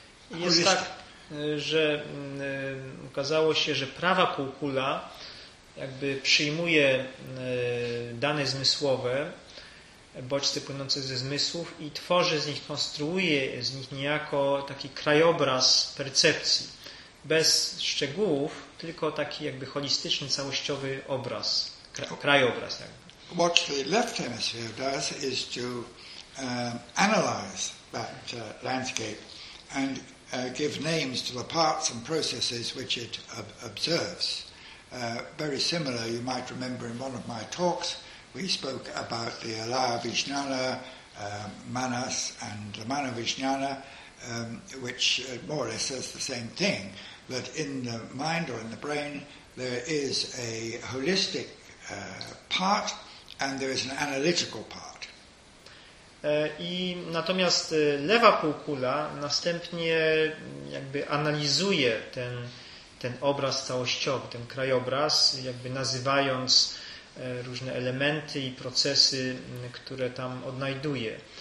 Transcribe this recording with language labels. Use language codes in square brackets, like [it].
[pl] Jest tak, że okazało się, że prawa półkula jakby przyjmuje dane zmysłowe, bodźce płynące ze zmysłów i tworzy z nich, konstruuje z nich niejako taki krajobraz percepcji. Bez szczegółów, tylko taki jakby holistyczny, całościowy obraz, krajobraz jakby. [en] What the left hemisphere does is to analyze that landscape and give names to the parts and processes which it observes. Very similar, you might remember in one of my talks, we spoke about the alaya vijnana, manas, and the mana vijnana, which more or less says the same thing, that in the mind or in the brain there is a holistic part and there is an analytical part. [pl] I natomiast lewa półkula następnie jakby analizuje ten obraz całościowy, ten krajobraz, jakby nazywając różne elementy i procesy, które tam odnajduje.